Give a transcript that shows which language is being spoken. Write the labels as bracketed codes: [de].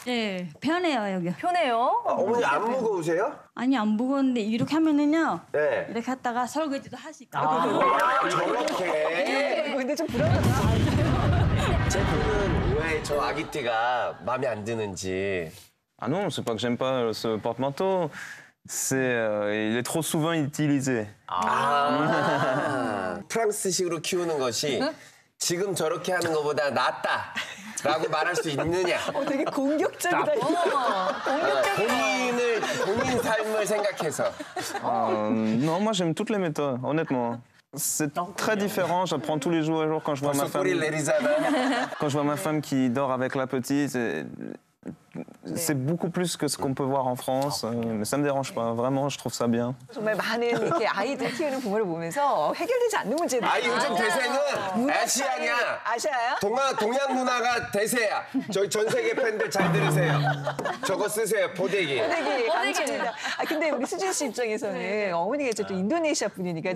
[ko] 네 편해요 여기. 편해요? 아, 어머니 안 무거우세요? 아니 안 무거운데 이렇게 하면은요 네. 이렇게 하다가 설거지도 하실까 아, 저렇게 근데 좀 부러워요 제프는 왜 저 아기띠가 마음에 안 드는지 [fr] 아, non, c'est pas que j'aime pas ce porte-manteau c'est il est trop souvent utilisé [ko] 아, 프랑스식으로 키우는 것이 지금 저렇게 하는 것보다 낫다 라고 말할 수 있느냐? 어, 되게 공격적이다. 공격적인 본인 삶을 생각해서. 너무 맛있는 툴레미터. [fr] Honnêtement, c'est très différent. J'apprends tous les jours, jour quand je vois ma femme. Quand je vois ma femme qui dort avec la petite, c'est beaucoup plus que ce qu'on peut voir en France. Mais ça me dérange pas. Vraiment, je trouve ça bien. [ko] 정말 많은 이렇게 아이들 키우는 부모를 보면서 해결되지 않는 문제들. 아, 요즘 대세는 아시아냐? 아시아요? 동양 문화가 대세야. 저희 전 세계 팬들 잘 들으세요. 저거 쓰세요. 보데기. 보데기. 감사합니다. 아, 근데 우리 수진 씨 입장에서는 네. 어머니가 이제 또 인도네시아 분이니까 네.